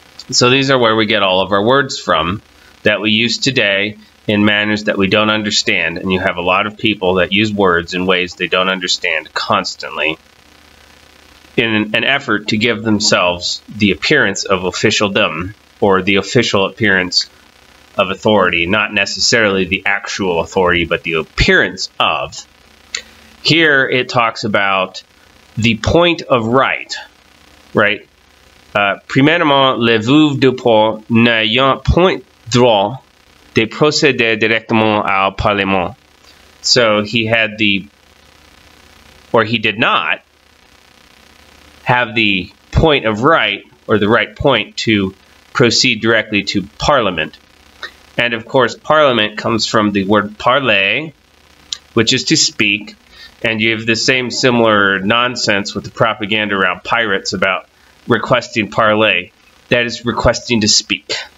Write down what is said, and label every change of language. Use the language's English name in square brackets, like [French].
[English] So these are where we get all of our words from that we use today in manners that we don't understand, and you have a lot of people that use words in ways they don't understand constantly, in an effort to give themselves the appearance of officialdom, or the official appearance of authority, not necessarily the actual authority, but the appearance of. Here it talks about the point of right, right? [French] Premièrement, le veuf du pauvre n'ayant point droit de procéder directement au Parlement. [English] So he had the, or he did not, have the point of right, or the right point, to proceed directly to Parliament. And of course, Parliament comes from the word parler, which is to speak, and you have the same similar nonsense with the propaganda around pirates about requesting parler. That is requesting to speak.